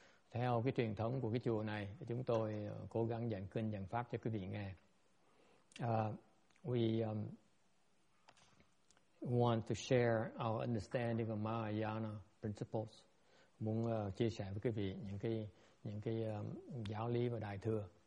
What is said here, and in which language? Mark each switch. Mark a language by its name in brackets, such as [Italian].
[Vietnamese] Theo cái truyền thống của cái chùa này, chúng tôi cố gắng giảng kinh giảng pháp cho quý vị nghe. [English] We want to share our understanding of Mahayana principles. [Vietnamese] Muốn chia sẻ với quý vị những cái giáo lý và đại thừa.